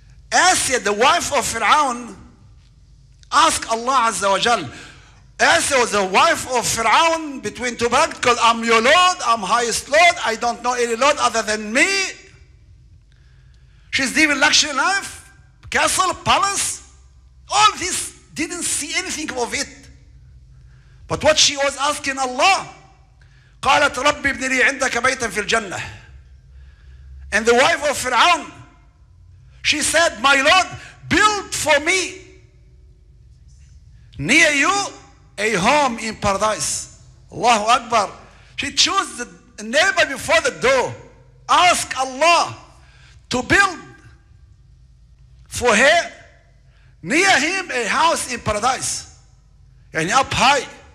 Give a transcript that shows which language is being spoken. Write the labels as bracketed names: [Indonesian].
[English] Asya, the wife of Fir'aun, asked Allah Azza wa Jal, Asya was the wife of Fir'aun between two banks, because I'm your Lord, I'm highest Lord, I don't know any Lord other than me. She's living luxury life, castle, palace, all this, didn't see anything of it. But what she was asking Allah, [Arabic] قالت ربي ابن لي عندك بيتا في الجنة. [English] And the wife of Fir'aun, she said, my Lord, build for me near you a home in paradise. Allahu Akbar. She chose the neighbor before the door. Ask Allah to build for her near him a house in paradise. And up high.